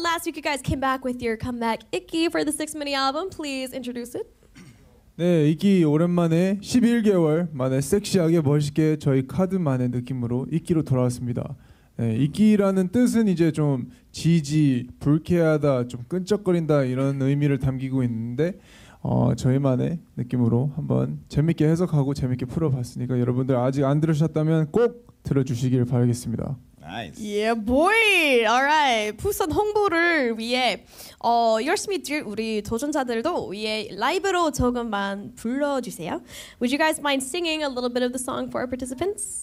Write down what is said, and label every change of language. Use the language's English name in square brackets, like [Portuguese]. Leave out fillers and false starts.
[English] Last week you guys came back with your comeback icky for the 6 mini album. Please introduce it. [Korean] 네, 이끼 오랜만에 11개월 만에 섹시하게 멋있게 저희 카드만의 느낌으로 이끼로 돌아왔습니다. 네, 이끼라는 뜻은 이제 좀 지지, 불쾌하다, 좀 끈적거린다 이런 의미를 담기고 있는데 저희만의 느낌으로 한번 재밌게 해석하고 재밌게 풀어봤으니까 여러분들 아직 안 들으셨다면 꼭 들어주시길 바라겠습니다. [English] Nice. Yeah, boy. All right. [Korean] 부산 홍보를 위해 열심히 뛸 우리 도전자들도 위해 라이브로 조금만 불러주세요. [English] Would you guys mind singing a little bit of the song for our participants?